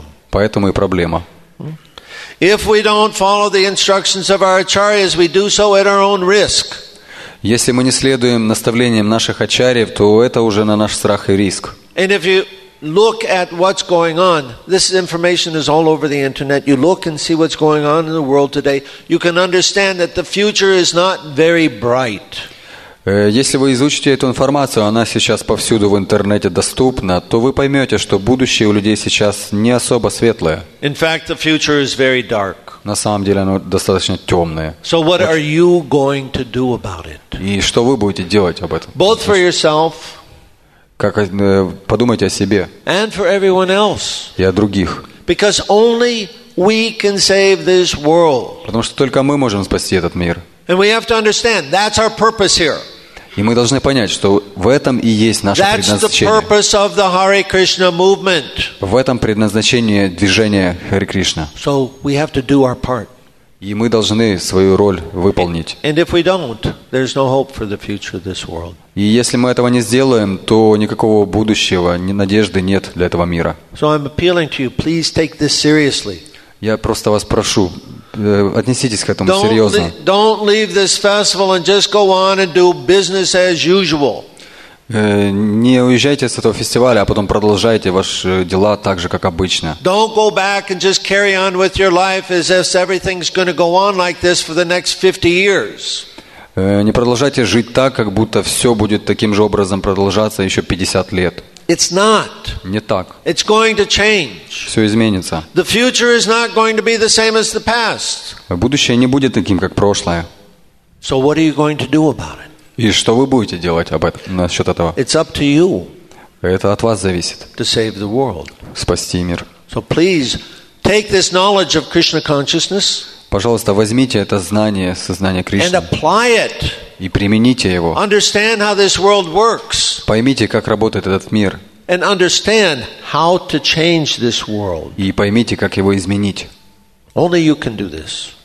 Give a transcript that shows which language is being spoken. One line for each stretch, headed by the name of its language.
Russian: Поэтому и проблема. Если мы не следуем наставлениям наших ачарьев, то это уже на наш страх и риск.
English: And if you look at what's going on. This information is all over the internet. You look and see what's going on in the world today. You can understand that the future is not very bright.
Russian: Если вы изучите эту информацию, она сейчас повсюду в интернете доступна, то вы поймете, что будущее у людей сейчас не особо светлое.
English: In fact, the future is very dark.
Russian: На самом деле оно достаточно темное.
English: So what are you going to do about it?
Russian: И что вы будете делать об этом?
English: Both for yourself.
Russian: Как подумайте о себе.
English: And for everyone else.
Russian: И о других.
English: Because only we can save this world.
Russian: Потому что только мы можем спасти этот мир.
English: And we have to understand that's our purpose here.
Russian: И мы должны понять, что в этом и есть наше предназначение.
English: That's the purpose of the Hare Krishna movement.
Russian: В этом предназначение движения Hare Krishna.
English: So we have to do our part.
Russian: И мы должны свою роль выполнить.
English: And if we don't, there's no hope for the future of this world.
Russian: И если мы этого не сделаем, то никакого будущего, ни надежды нет для этого мира.
English: So I'm appealing to you, please take this seriously.
Russian: Я просто вас прошу, отнеситесь к этому серьезно.
English: Don't leave this festival and just go on and do business as usual.
Russian: Не уезжайте с этого фестиваля, а потом продолжайте ваши дела так же, как обычно.
English: Don't go back and just carry on with your life as if everything's going to go on like this for the next 50 years.
Russian: Не продолжайте жить так, как будто все будет таким же образом продолжаться еще 50 лет.
English: It's not.
Russian: Не так.
English: It's going to change.
Russian: Все изменится.
English: The future is not going to be the same as the past.
Russian: Будущее не будет таким, как прошлое.
English: So what are you going to do about it?
Russian: И что вы будете делать об этом, насчет этого?
English: It's up to you.
Russian: Это от вас зависит.
English: To save the world.
Russian: Спасти мир.
English: So please take this knowledge of Krishna consciousness.
Russian: Пожалуйста, возьмите это знание, сознание Кришны.
English: And apply it.
Russian: И примените его.
English: Understand how this world works.
Russian: Поймите, как работает этот мир.
English: And understand how to change this world.
Russian: И поймите, как его изменить.
English: Only you can do this.